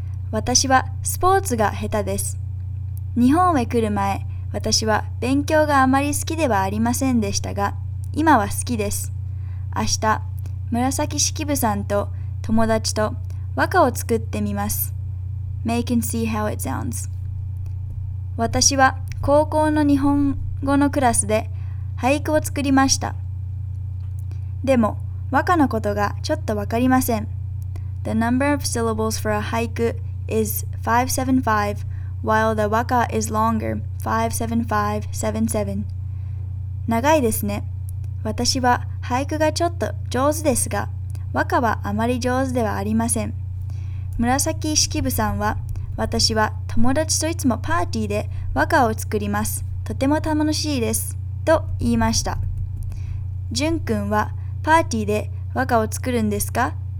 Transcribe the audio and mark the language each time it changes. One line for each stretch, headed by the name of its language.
Japanese: 私はスポーツが下手です。日本へ来る前、私は勉強があまり好きではありませんでしたが、今は好きです。明日、紫式部さんと友達と和歌を作ってみます。
English: Make and see how it sounds.
Japanese: 私は高校の日本語のクラスで俳句を作りました。でも、和歌のことがちょっとわかりません。
English: The number of syllables for a haiku is 575, while the 和歌 is longer, 57577.
Japanese: 長いですね。私は俳句がちょっと上手ですが、和歌はあまり上手ではありません。紫式部さんは、私は友達といつもパーティーで和歌を作ります。とても楽しいです。と言いました。ジュン君はパーティーで和歌を作るんですか？